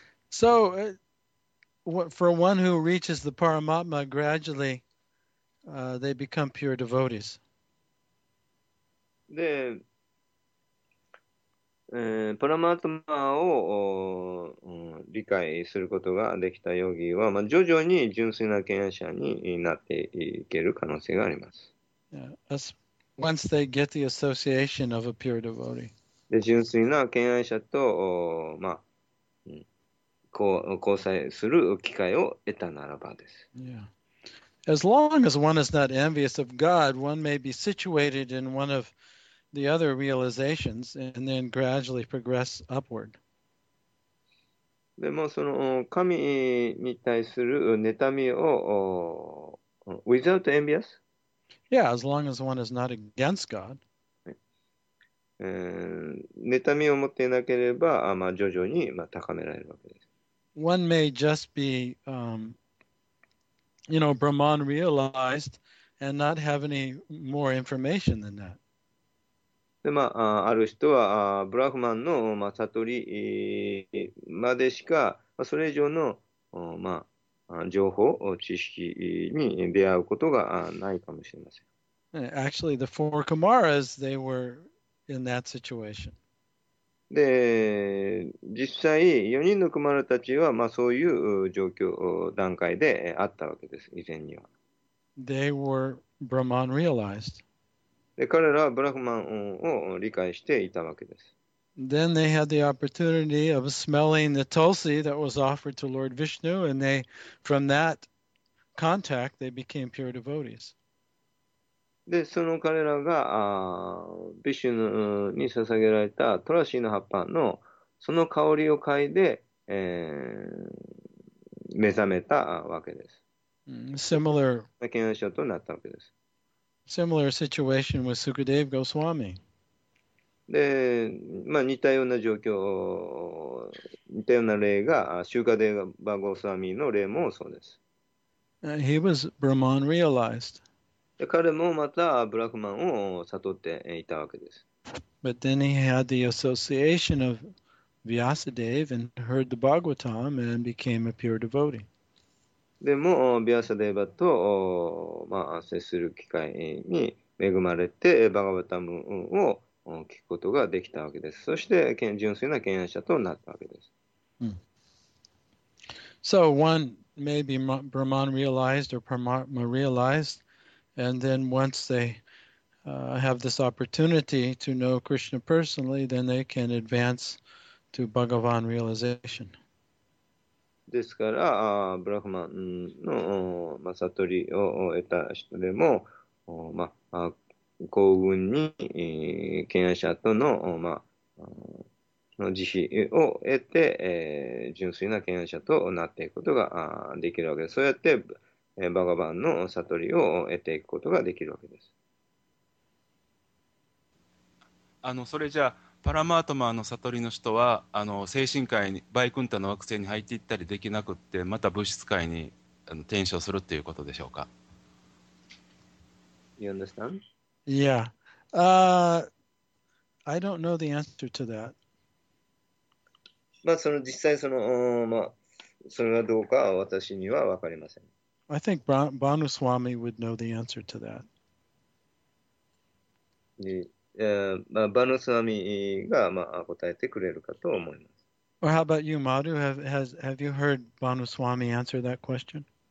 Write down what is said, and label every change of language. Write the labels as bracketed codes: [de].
[en] So for one who reaches the Paramatma graduallyThey become pure devotees. [ja] で、パラマートマを、理解することができたヨギは、まあ、徐々に純粋な権威者になっていける可能性があります。 [en] Yeah. Once they get the association of a pure devotee. [ja] で、純粋な権威者と、まあ、交際する機会を得たならばです。 [en] Yeah. As long as one is not envious of God, one may be situated in one of the other realizations and then gradually progress upward. [ja] でもその神に対する妬みを [en] without envious? Yeah, as long as one is not against God. [ja] 妬みを持っていなければ、まあ、徐々に、まあ、高められるわけです。 [en] One may just be... You know, Brahman realized and not have any more information than that. [ja] で、まあ、ある人は、ブラフマンの、まあ、悟りまでしか、まあ、それ以上の、まあ、情報、知識に出会うことがないかもしれません。 [en] Actually, the four Kumaras, they were in that situation. [ja] で、実際4人のクマラたちは、まあ、そういう状況段階であったわけです。以前には [en] They were Brahman realized. [ja] で、彼らはブラフマンを理解していたわけです。 [en] Then they had the opportunity of smelling the tulsi that was offered to Lord Vishnu, and they from that contact, they became pure devotees. [ja] で、その彼らが、ビシュヌに捧げられたトラシーの葉っぱのその香りを嗅いで、目覚めたわけです。 [en] Similar, [ja] 先の人となったわけです。 [en] Similar situation with Sukadev Goswami. [ja] で、まあ、似たような状況、似たような例が、シュカデーバ・ゴスワミの例もそうです。 [en] He was Brahman realized. [ja] 彼もまたブラフマンを悟っていたわけです。 [en] But then he had the association of Vyasadeva and heard the Bhagavatam and became a pure devotee. [ja] でも、ヴィアサデーヴァと、まあ、接する機会に恵まれて、バガヴァタムを聞くことができたわけです。そして、純粋な権威者となったわけです。 [en] Hmm. So, one, maybe Brahman realized or Paramatma realized. And then once they have this opportunity to know Krishna personally, then they can advance to Bhagavan realization. [ja] ですから、ブラフマンの、まあ、悟りを得た人でも、まあ、幸運に、権威者との、まあ、の慈悲を得て、純粋な権威者となっていくことができるわけです。そうやって、バガバンの悟りを得ていくことができるわけです。それじゃあ、パラマートマの悟りの人は、精神界に、バイクンタの惑星に入っていったりできなくって、また物質界に転生するっていうことでしょうか。 [en] You understand? Yeah. I don't know the answer to that. [ja] まあ、その実際その、まあ、それはどうか私にはわかりません。 [en] I think Bhanu Swami would know the answer to that. [ja] Bhanu Swami がまあ答えてくれるかと思います。 [en] Or how about you, Madhu? Have you heard Bhanu Swami answer that question?